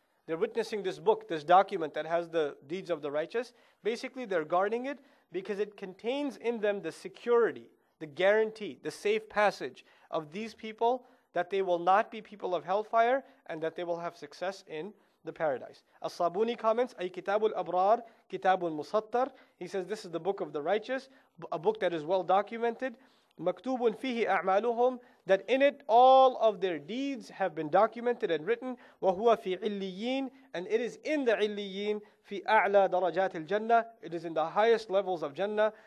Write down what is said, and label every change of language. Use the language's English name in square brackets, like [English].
[English] They're witnessing this book, this document that has the deeds of the righteous. Basically, they're guarding it because it contains in them the security, the guarantee, the safe passage of these people that they will not be people of hellfire and that they will have success in the paradise. As-Sabuni comments, [Arabic] أي كتاب الأبرار كتاب المسطر. [English] He says, this is the book of the righteous, a book that is well documented. [Arabic] مكتوب فيه أعمالهم, [English] that in it all of their deeds have been documented and written. [Arabic] وهو في عليين, [English] and it is in the [Arabic] عليين في أعلى درجات الجنة, [English] it is in the highest levels of Jannah.